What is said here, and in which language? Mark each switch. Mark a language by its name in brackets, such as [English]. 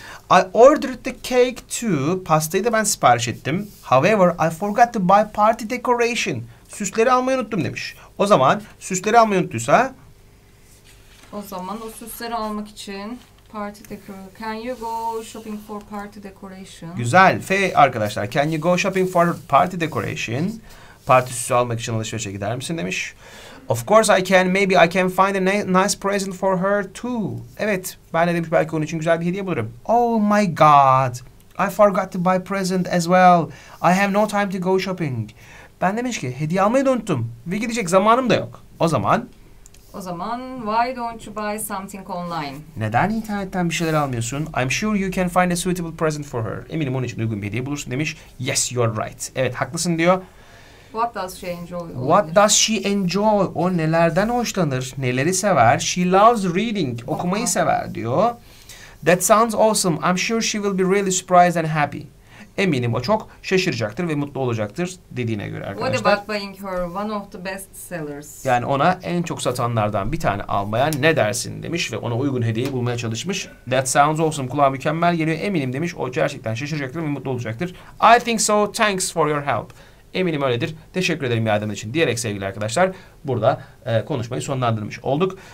[English] I ordered the cake too. [Turkish] Pastayı da ben sipariş ettim. [English] However, I forgot to buy party decoration. [Turkish] Süsleri almayı unuttum demiş. O zaman süsleri almayı unuttuysa. O zaman o süsleri almak için [English] party decoration. Can you go shopping for party decoration? [Turkish] Güzel. [English] F arkadaşlar, can you go shopping for party decoration? [Turkish] Parti süsü almak için alışverişe gider misin demiş. [English] Of course I can. Maybe I can find a nice present for her too. [Turkish] Evet, ben de demiş belki onun için güzel bir hediye bulurum. [English] Oh my god. I forgot to buy present as well. I have no time to go shopping. [Turkish] Ben demiş ki hediye almayı da unuttum ve gidecek zamanım da yok. O zaman [English] why don't you buy something online? [Turkish] Neden internetten bir şeyler almıyorsun? [English] I'm sure you can find a suitable present for her. [Turkish] Eminim onun için uygun bir hediye bulursun demiş. [English] Yes, you're right. [Turkish] Evet, haklısın diyor. [English] What does she enjoy? [Turkish] O nelerden hoşlanır? Neleri sever? [English] She loves reading. [Turkish] Okumayı sever diyor. [English] That sounds awesome. I'm sure she will be really surprised and happy. [Turkish] Eminim o çok şaşıracaktır ve mutlu olacaktır dediğine göre arkadaşlar. [English] What about buying her one of the best sellers? [Turkish] Yani ona en çok satanlardan bir tane almaya ne dersin demiş ve ona uygun hediye bulmaya çalışmış. [English] That sounds awesome. [Turkish] Kulağa mükemmel geliyor. Eminim demiş. O gerçekten şaşıracaktır ve mutlu olacaktır. [English] I think so. Thanks for your help. [Turkish] Eminim öyledir. Teşekkür ederim yardım için diyerek sevgili arkadaşlar burada konuşmayı sonlandırmış olduk.